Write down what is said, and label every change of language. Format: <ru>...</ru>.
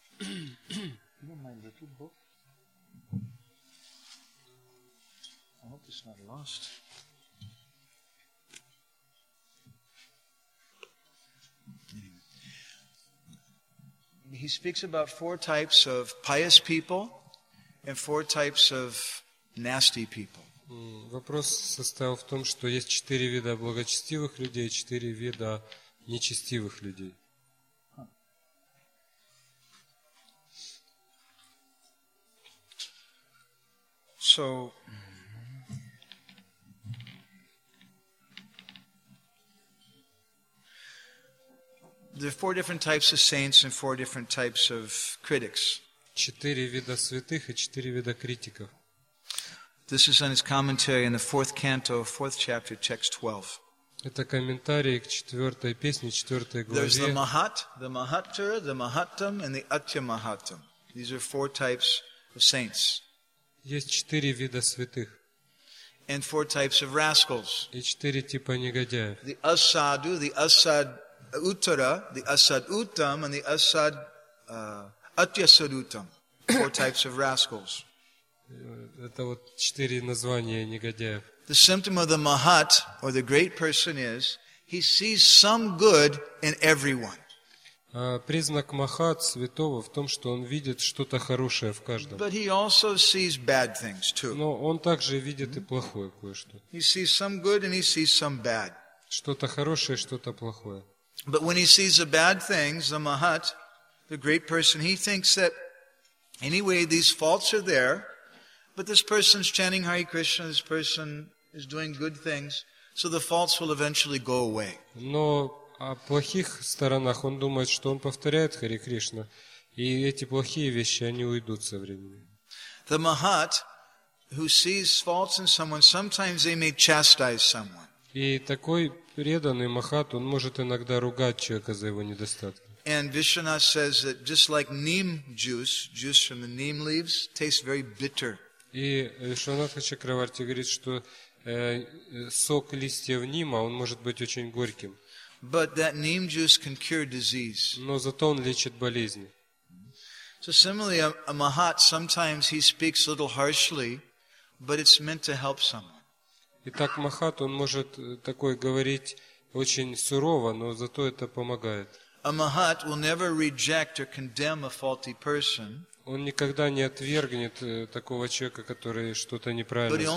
<en>You want my little book? I hope it's not lost. Anyway. He speaks about four types of pious people and four types of nasty people.</en> <ru>Вопрос состоял в том, что есть четыре вида благочестивых людей и четыре вида нечестивых людей.</ru> <en>So there are four different types of saints and four different types of critics.</en> <ru>Четыре вида святых и четыре вида критиков.</ru> <en>This is in his commentary in the fourth canto, fourth chapter, text 12.</en> <ru>Это комментарий к четвертой песне, четвертой главе.</ru> <en>There's the Mahat, the Mahatter, the Mahattam, and the Atyamahattam. These are four types of saints.</en> <ru>Есть четыре вида святых.</ru> <en>And four types of rascals.</en> <ru>И четыре типа негодяев.</ru> <en>The Asadu, the Asad. Uttara, the Asad Uttam, and the Asad Atyasad Uttam, four types of rascals.</en> <ru>Это вот четыре названия негодяев.</ru> <en>The symptom of the Mahat, or the great person, is he sees some good in everyone.</en> <ru>Признак Махат, святого, в том, что он видит что-то хорошее в каждом.</ru> <en>But he also sees bad things too.</en> <ru>Но он также видит и плохое кое-что.</ru> <en>He sees some good and he sees some bad.</en> <ru>Что-то хорошее, что-то плохое.</ru> <en>But when he sees the bad things, the Mahat, the great person, he thinks that anyway these faults are there, but this person's chanting Hare Krishna, this person is doing good things, so the faults will eventually go away.</en> <ru>Но о плохих сторонах он думает, что он повторяет Хари Кришна, и эти плохие вещи, они уйдут со временем.</ru> <en>The Mahat, who sees faults in someone, sometimes they may chastise someone.</en> <ru>И такой преданный Махат, он может иногда ругать человека за его недостатки.</ru> <en>And Vishwanath says that just like neem juice, juice from the neem leaves, tastes very bitter.</en> <ru>И Вишванатха Чакраварти говорит, что сок листьев нима, он может быть очень горьким.</ru> <en>But that neem juice can cure disease.</en> <ru>Но зато он лечит болезни.</ru> <en>So similarly, a Mahat, sometimes he speaks a little harshly, but it's meant to help someone.</en> <ru>Итак, Махат, он может такой говорить очень сурово, но зато это помогает.</ru> <en>A Mahat will never reject or condemn a faulty person.</en> <ru>Он никогда не отвергнет такого человека, который что-то неправильно сделал.</ru>